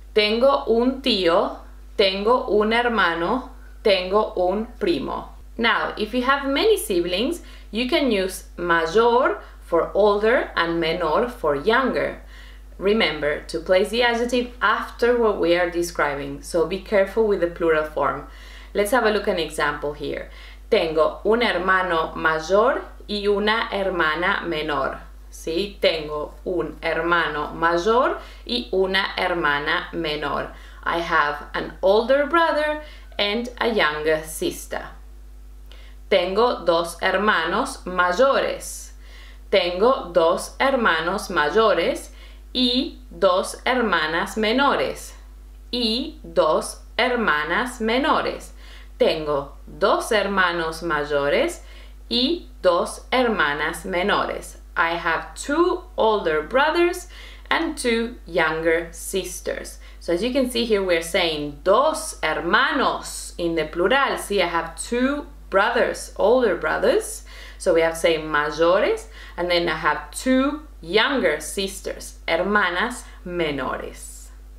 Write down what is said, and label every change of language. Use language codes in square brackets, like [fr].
[es] Tengo un tío, tengo un hermano, tengo un primo. [en] Now, if you have many siblings, you can use mayor for older and menor for younger. Remember to place the adjective after what we are describing, so be careful with the plural form. Let's have a look at an example here. [es] Tengo un hermano mayor y una hermana menor. Sí, tengo un hermano mayor y una hermana menor. [en] I have an older brother and a younger sister. [es] Tengo dos hermanos mayores. Tengo dos hermanos mayores y dos hermanas menores. Y dos hermanas menores. Tengo dos hermanos mayores y dos hermanas menores. [en] I have two older brothers and two younger sisters. So as you can see here, we're saying [es] dos hermanos [en] in the plural. See, I have two brothers, older brothers. So we have to say mayores, and then I have two younger sisters, [es] hermanas menores.